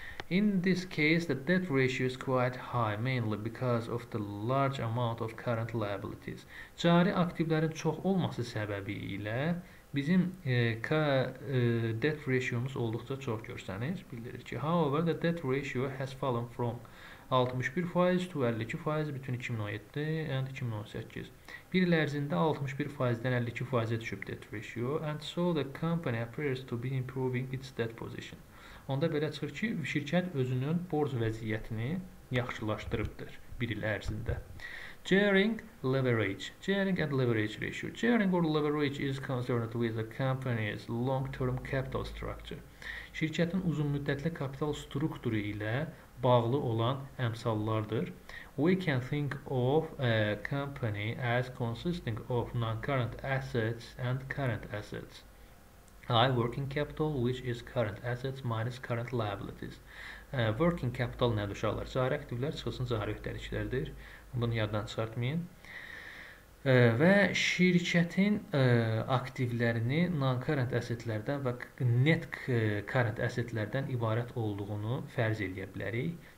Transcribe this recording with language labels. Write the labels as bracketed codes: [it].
[en] In this case, the debt ratio is quite high, mainly because of the large amount of current liabilities. [az] Cari aktivlərin çox olması səbəbi ilə bizim debt ratio'umuz olduqca çox görsəniz, bildirir ki, [en] however, the debt ratio has fallen from 61% to 52% [az] bütün 2017 and 2018. Bir il ərzində 61%-dən 52%-ə düşüb [en] debt ratio and so the company appears to be improving its debt position. [az] Onda belə çıxır ki, şirkət özünün borc vəziyyətini yaxşılaşdırıbdır bir il ərzində. [en] Gearing leverage. Gearing and leverage ratio. Gearing or leverage is concerned with the company's long-term capital structure. [az] Şirkətin uzunmüddətli kapital strukturu ilə bağlı olan əmsallardır. [en] We can think of a company as consisting of non-current assets and current assets. I working capital, which is current assets minus current liabilities. [az] Working capital nədir uşaqlar? Cari aktivlər çıxılsın, cari öhdəliklərdir. Bunu yaddan çıxartmayın. Və şirkətin aktivlərini non-current assetlərdən və net current assetlərdən ibarət olduğunu fərz eləyə bilərik.